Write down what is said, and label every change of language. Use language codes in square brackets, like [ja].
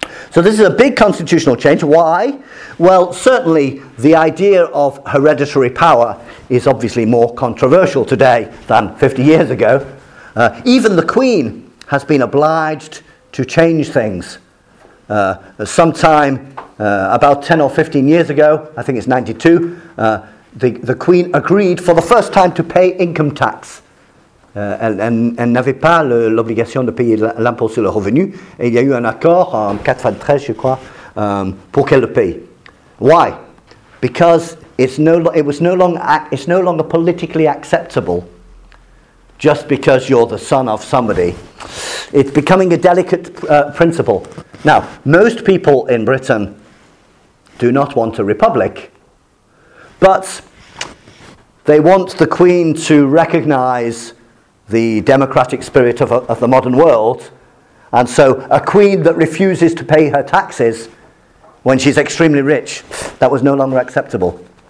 [en] So this is a big constitutional change. Why? Well, certainly the idea of hereditary power is obviously more controversial today than 50 years ago. Even the Queen has been obliged to change things. About 10 or 15 years ago, I think it's 92, the Queen agreed for the first time to pay income tax. [fr] Elle n'avait pas l'obligation de payer l'impôt sur le revenu. Il y a eu un accord en 93, je crois, pour qu'elle le paye. [en] Why? Because it's no longer politically acceptable just because you're the son of somebody. It's becoming a delicate principle. Now, most people in Britain do not want a republic, but they want the Queen to recognise the democratic spirit of the modern world, and so a queen that refuses to pay her taxes when she's extremely rich, that was no longer acceptable.